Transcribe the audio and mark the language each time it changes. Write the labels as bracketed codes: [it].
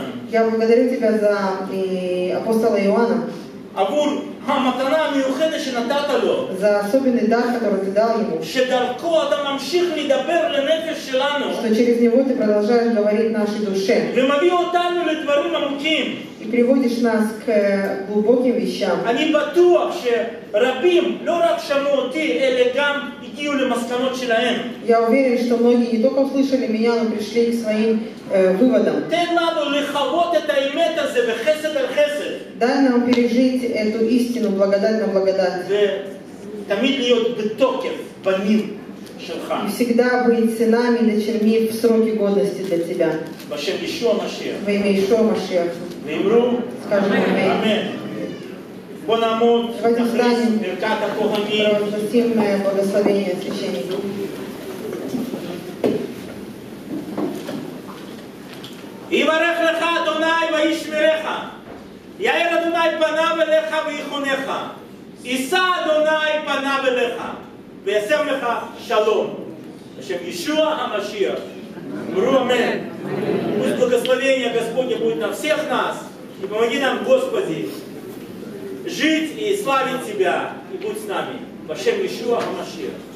[ru] Я благодарю тебя за апостола Иоанна. [he] עבור המתנה המיוחדת שנתת לו. [ru] זה особенный дар, который ты дал ему. [he] שדרכו אתה ממשיך לדבר לנפש שלנו. [ru] Что через него ты продолжаешь говорить нашей душе. [he] ומביא אותנו לדברים עמוקים. [ru] И приводишь нас к глубоким вещам. [he] אני בטוח שרבים לא רק שמעו אותי, אלא גם הגיעו למסקנות שלהם. [ru] Я уверен, что многие не только услышали меня, но пришли к своим выводам. [he] תן לנו לחוות את האמת הזה בחסד על חסד. [ru] Дай нам пережить эту истину благодать на благодать. И всегда быть сынами и дочерьми в сроки годности для тебя. Во имя Иешуа Машиах. Скажем аминь. Давайте встанем. Провозгласим мое благословение священнику. [he] Иварех леха, Адонай, ваишмиреха. יאיר אדוני פניו אליך ויחונך, יישא אדוני פניו אליך, ויישם לך שלום. השם ישוע המשיח, אמרו אמן. [ru] פוסט благословение Господне будет на всех нас, и помоги нам, Господи, жить и славить Тебя, и будь с нами. Во всем ישוע המשיח.